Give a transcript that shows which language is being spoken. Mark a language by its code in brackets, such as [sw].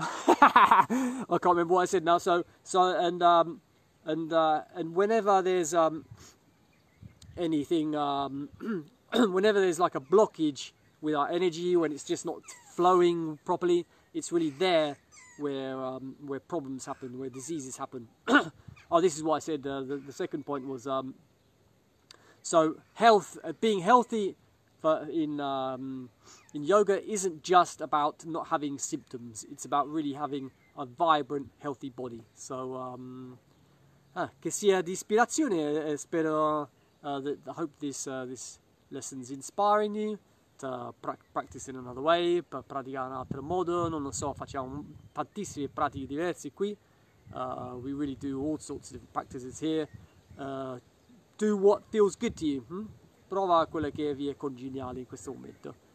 [en] I can't remember what I said now. So whenever there's whenever there's like a blockage with our energy, when it's just not flowing properly, it's really there where problems happen, where diseases happen. Oh, this is what I said. The second point was so health, being healthy for in yoga isn't just about not having symptoms. It's about really having a vibrant, healthy body. [it] So che sia di ispirazione, spero. [en] I hope this lesson's inspiring you to practice in another way, [it] per praticare in un altro modo. Non lo so, facciamo tantissime pratiche diverse qui. [en] We really do all sorts of different practices here. Do what feels good to you. [it] Prova quello che vi è congeniale in questo momento.